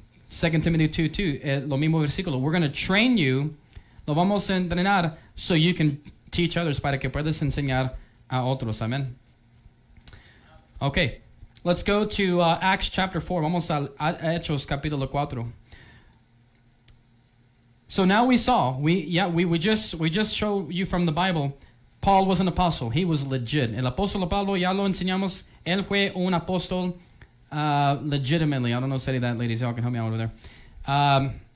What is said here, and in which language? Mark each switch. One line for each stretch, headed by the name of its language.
Spanish: 2 Timothy 2:2, lo mismo versículo.
English: We're going to train you,
Spanish: lo vamos a entrenar,
English: so you can teach others,
Spanish: para que puedas enseñar a otros. Amen.
English: Okay, let's go to Acts chapter 4.
Spanish: Vamos a Hechos capítulo 4.
English: So now we saw, we just show you from the Bible, Paul was an apostle. He was legit.
Spanish: El apóstol Pablo, ya lo enseñamos, él fue un apóstol legitimately.
English: I don't know if any of that, ladies, y'all can help me out over there.